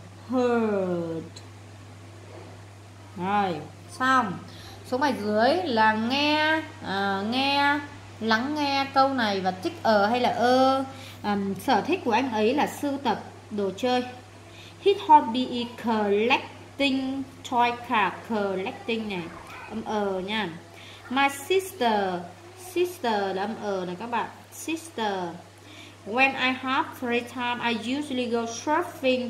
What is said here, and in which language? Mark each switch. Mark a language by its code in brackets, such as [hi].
[vi] Heard. Rồi xong. Số bài dưới là nghe, nghe, lắng nghe câu này và tích ở hay là ơ. Sở thích của anh ấy là sưu tập đồ chơi. [en] His hobby is collecting toy car. [vi] Collecting này, âm ờ nha. [en] My sister, [vi] sister là âm ờ này các bạn. Sister. [en] When I have free time, I usually go surfing.